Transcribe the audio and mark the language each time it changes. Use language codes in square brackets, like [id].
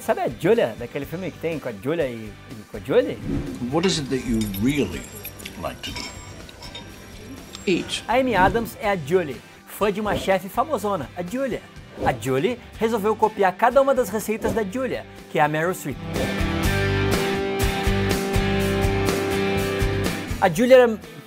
[pt] Sabe a Julia, daquele filme que tem com a Julia e com a Julie? [en] What is it that you really like to do? Eat. [pt] A Amy Adams é a Julie, fã de uma chefe famosona, a Julia. A Julie resolveu copiar cada uma das receitas da Julia, que é a Meryl Streep. A Julia era...